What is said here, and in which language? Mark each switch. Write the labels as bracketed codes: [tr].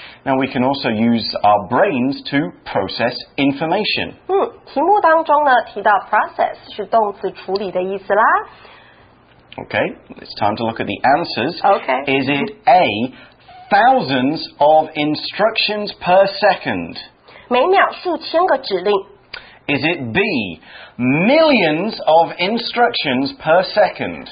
[en] Now we can also use our brains to process information. [zh] 题目当中呢提到 process 是动词处理的意思啦。 [en] Okay, it's time to look at the answers. Okay. Is it A, thousands of instructions per second? [zh] 每秒数千个指令。 [en] Is it B, millions of instructions per second?